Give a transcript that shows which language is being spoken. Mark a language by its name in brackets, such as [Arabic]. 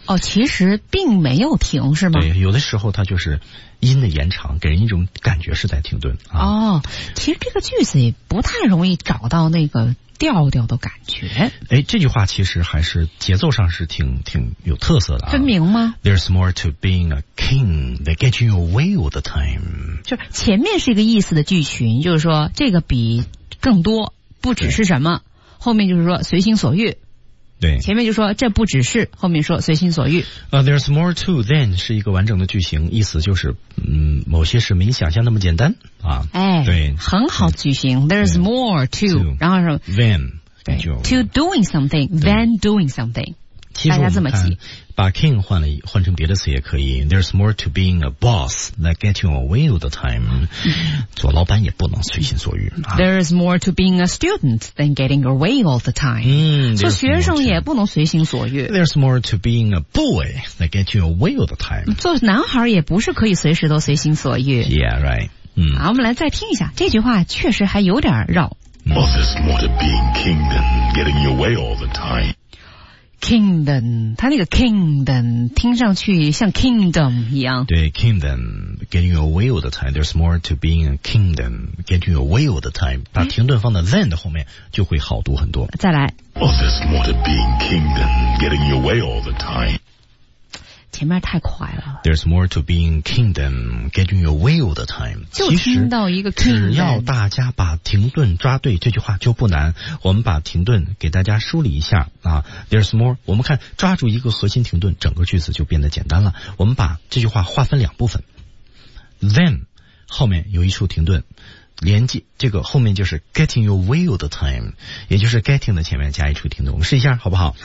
[Chinese] 哦，其实并没有停，是吗？对，有的时候它就是音的延长，给人一种感觉是在停顿。啊、哦，其实这个句子也不太容易找到那个调调的感觉。哎，这句话其实还是节奏上是挺有特色的、啊，分明吗 [English] ？There's more to being a king than getting your way all the time。 [Chinese] 就前面是一个意思的句群，就是说这个比更多，不只是什么，后面就是说随心所欲。对，前面就说这不只是，后面说随心所欲。 [English] There's more to than [Chinese] 是一个完整的句型，意思就是，某些事没你想象那么简单啊。哎，对，很好的句型。 [English] There's more to， [Chinese] 然后什么 [English] than， [Chinese] 对 [English] ，to doing something than doing something。 [Chinese] 其实大家这么记，把 king 换成别的词也可以。 [English] There's more to being a boss than getting away all the time、嗯。 [Chinese] 做老板也不能随心所欲、啊。 [English] There's more to being a student than getting away all the time。嗯， [Chinese] 做学生也不能随心所欲。 [English] There's more to being a boy than getting away all the time。 [Chinese] 做男孩也不是可以随时都随心所欲。 [English] Yeah, right。 嗯， [Chinese] 好，我们来再听一下这句话，确实还有点绕。 [English] Oh, there's more to being king than getting your way all the time。 [Chinese] Kingdom， 他那个 kingdom 听上去像 kingdom 一样。对 [English] ，kingdom getting your way all the time， there's more to being a kingdom getting your way all the time。 [Chinese] 把停顿放在 than 的后面，就会好读很多。再来。 [English] Oh, there's more to being kingdom getting your way all the time。 [Chinese] 前面太快了。 [English] There's more to being kingdom getting your way all the time。 [Chinese] 就听到一个 kingdom。只要大家把停顿抓对，这句话就不难。我们把停顿给大家梳理一下啊。 [English] There's more， [Chinese] 我们看抓住一个核心停顿，整个句子就变得简单了。我们把这句话划分两部分 ，then 后面有一处停顿，连接这个后面就是 [English] getting your way all the time， [Chinese] 也就是 getting 的前面加一处停顿。我们试一下好不好？